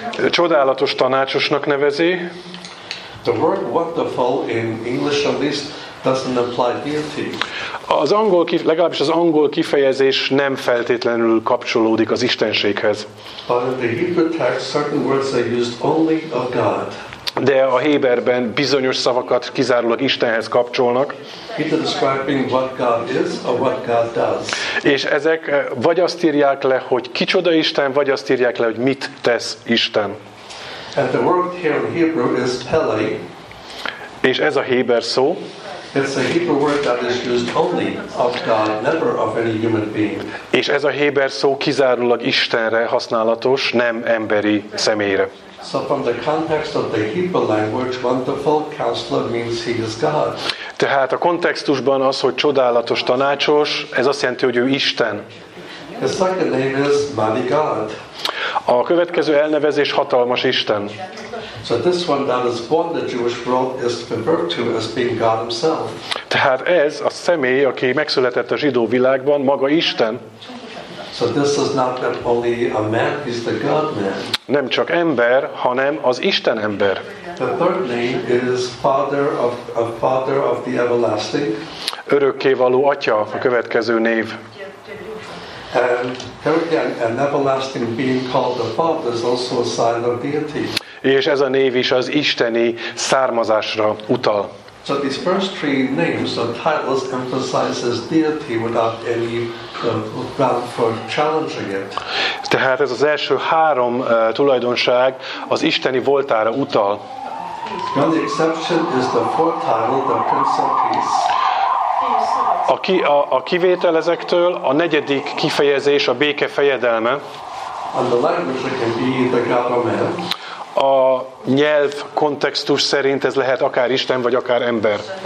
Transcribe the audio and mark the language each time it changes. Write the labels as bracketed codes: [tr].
[hu] Csodálatos tanácsosnak nevezi. [en] The word wonderful in English at least doesn't apply deity. [hu] Az angol legalábbis az angol kifejezés nem feltétlenül kapcsolódik az istenséghez. [en] But in the Hebrew text, certain words are used only of God. [hu] De a héberben bizonyos szavakat kizárólag Istenhez kapcsolnak. [en] Either describing what God is or what God does. [hu] És ezek vagy azt írják le, hogy kicsoda Isten, vagy azt írják le, hogy mit tesz Isten. [en] And the word here in Hebrew is pele. [hu] És ez a héber szó. [en] It's a Hebrew word that is used only of God, never of any human being. [hu] És ez a héber szó kizárólag Istenre használatos, nem emberi személyre. [en] So from the context of the Hebrew language, wonderful counselor means he is God. [hu] Tehát a kontextusban az, hogy csodálatos tanácsos, ez azt jelenti, hogy ő Isten. [en] The second name is mighty God. [hu] A következő elnevezés hatalmas Isten. [en] So this one that is born the Jewish world is referred to as being God himself. [hu] Tehát ez a személy, aki megszületett a zsidó világban, maga Isten. [en] So this is not that only a man, he's the God man. [hu] Nem csak ember, hanem az Isten ember. [en] The third name is father of the everlasting. [hu] Örökké való atya, a következő név. [en] And here again, an everlasting being called the father is also a sign of deity. [hu] És ez a név is az isteni származásra utal. [en] So these first three names or titles emphasizes deity without any ground for challenging it. [hu] Tehát ez az első három tulajdonság az isteni voltára utal. [en] The only exception is the fourth title, the Prince of Peace. [hu] A kivétel ezektől a negyedik kifejezés, a béke fejedelme. [en] And the language can be the God of man. [hu] A nyelv kontextus szerint ez lehet akár Isten, vagy akár ember.